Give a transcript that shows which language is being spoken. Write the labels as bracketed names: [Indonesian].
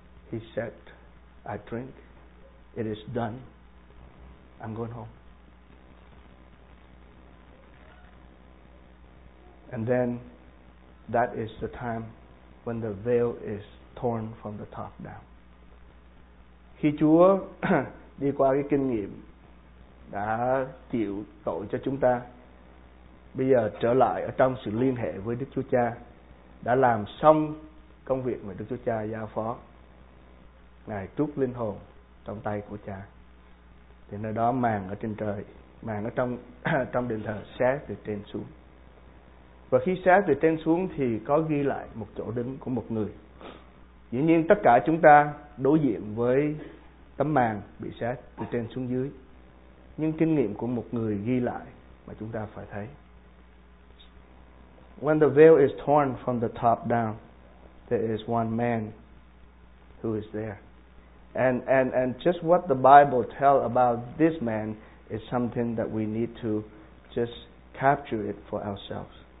[English] He said, I drink. It is done. I'm going home. And then that is the time when the veil is torn from the top down. [Vietnamese] Khi Chúa đi qua cái kinh nghiệm đã chịu tội cho chúng ta, bây giờ trở lại ở trong sự liên hệ với Đức Chúa Cha, đã làm xong công việc mà Đức Chúa Cha giao phó, Ngài trút linh hồn trong tay của Cha, thì nơi đó màn ở trên trời màn ở trong đền thờ xé từ trên xuống. Và khi xé từ trên xuống thì có ghi lại một chỗ đứng của một người. Dĩ nhiên tất cả chúng ta đối diện với tấm màn bị xé từ trên xuống dưới, nhưng kinh nghiệm của một người ghi lại mà chúng ta phải thấy. [English] When the veil is torn from the top down, there is one man who is there. And just what the Bible tells about this man is something that we need to just capture it for ourselves.